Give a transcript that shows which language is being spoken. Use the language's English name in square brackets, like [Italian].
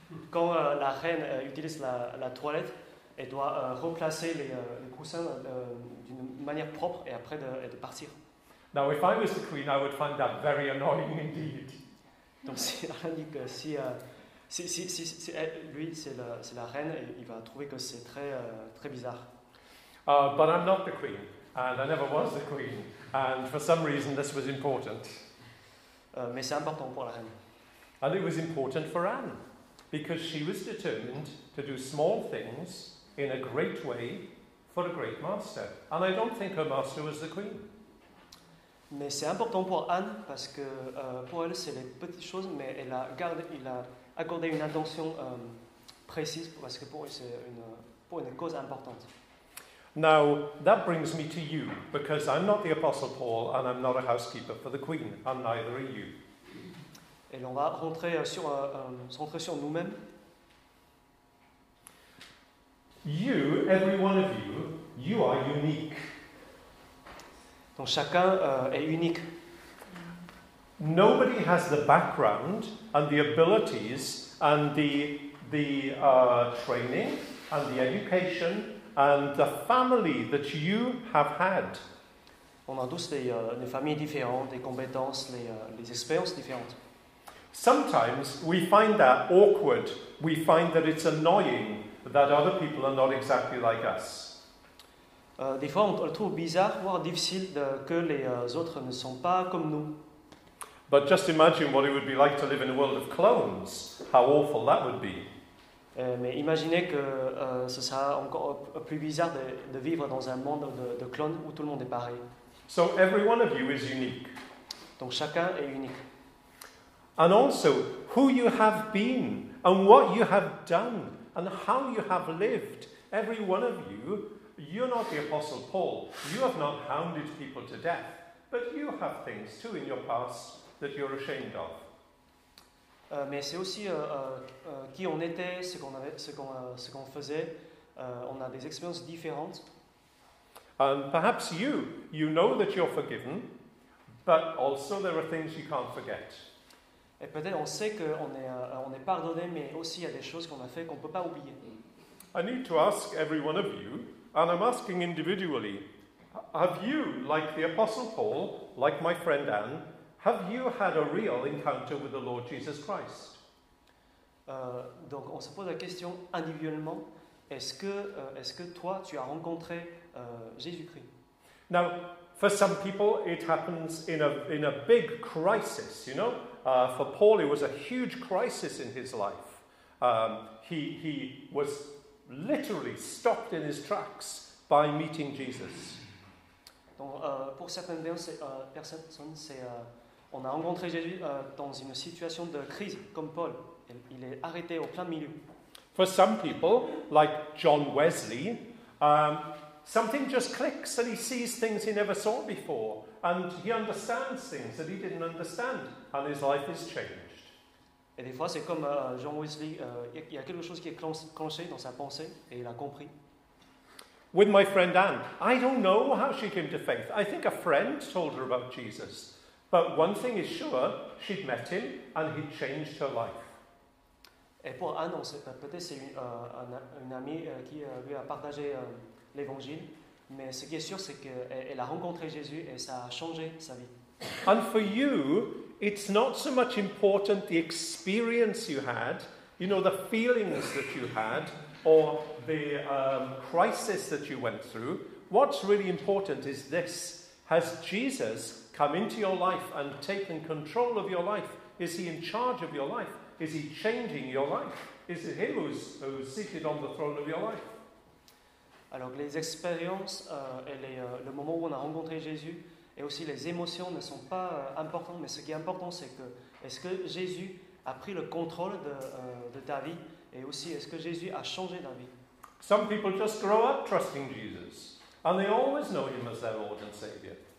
[French] Quand la reine utilise la toilette, elle doit replacer les coussins d'une manière propre et après de partir. [English] Now, if I was the Queen, I would find that very annoying indeed. [French] Donc si elle dit que si c'est la reine, il va trouver que c'est très très bizarre. [English] But I'm not the queen, and I never was the queen, and for some reason this was important. [French] Mais c'est important pour la reine. [English] And it was important for Anne, because she was determined to do small things in a great way for a great master. And I don't think her master was the queen. [French] Mais c'est important pour Anne parce que pour elle c'est les petites choses, mais elle a gardé, il a accordé une attention précise parce que pour elle c'est une cause importante. [English] Now that brings me to you, because I'm not the Apostle Paul and I'm not a housekeeper for the Queen, and neither are you. [French] Et on va rentrer sur centrer sur nous-mêmes. [English] You, every one of you, you are unique. [French] Donc chacun est unique. [English] Nobody has the background and the abilities and the training and the education and the family that you have had. [French] On a tous des familles différentes, des compétences, les expériences différentes. [English] Sometimes we find that awkward. We find that it's annoying that other people are not exactly like us. [French] Des fois, on le trouve bizarre, voire difficile, que les autres ne sont pas comme nous. [English] But just imagine what it would be like to live in a world of clones. How awful that would be. [French] Mais imaginez que ce sera encore plus bizarre de vivre dans un monde de clones où tout le monde est pareil. [English] So every one of you is unique. [French] Donc chacun est unique. [English] And also, who you have been, and what you have done, and how you have lived. Every one of you. You're not the Apostle Paul. You have not hounded people to death. But you have things, too, in your past that you're ashamed of. [French] Mais c'est aussi qui on était, ce qu'on avait, ce qu'on faisait. On a des expériences différentes. [English] And perhaps you know that you're forgiven, but also there are things you can't forget. [French] Et peut-être on sait qu'on est pardonné, mais aussi il y a des choses qu'on a fait qu'on ne peut pas oublier. [English] I need to ask every one of you, and I'm asking individually, have you, like the Apostle Paul, like my friend Anne, have you had a real encounter with the Lord Jesus Christ? [French] Donc on se pose la question individuellement, est-ce que toi tu as rencontré Jésus-Christ? [English] Now, for some people it happens in a big crisis, you know? For Paul it was a huge crisis in his life. He was literally stopped in his tracks by meeting Jesus. [French] Donc pour certaines personnes on a rencontré Jésus dans une situation de crise comme Paul. Il est arrêté au plein milieu. [English] For some people like John Wesley, something just clicks and he sees things he never saw before and he understands things that he didn't understand and his life is changed. [French] Et des fois c'est comme John Wesley, il y a quelque chose qui est clenché dans sa pensée et il a compris. [English] With my friend Anne, I don't know how she came to faith. I think a friend told her about Jesus. But one thing is sure, she'd met him and he'd changed her life. [French] Et pour Anne, on sait, peut-être c'est une amie qui lui a partagé l'évangile, mais ce qui est sûr c'est qu'elle a rencontré Jésus et ça a changé sa vie. [English] And for you, it's not so much important the experience you had, you know, the feelings that you had, or the crisis that you went through. What's really important is this: has Jesus come into your life and taken control of your life? Is he in charge of your life? Is he changing your life? Is it him who's seated on the throne of your life? [French] Alors les expériences et le moment où on a rencontré Jésus et aussi les émotions ne sont pas importantes, mais ce qui est important, c'est que est-ce que Jésus a pris le contrôle de ta vie et aussi est-ce que Jésus a changé ta vie? [English] Some people just grow up trusting Jesus and they always know him as their Lord and Savior.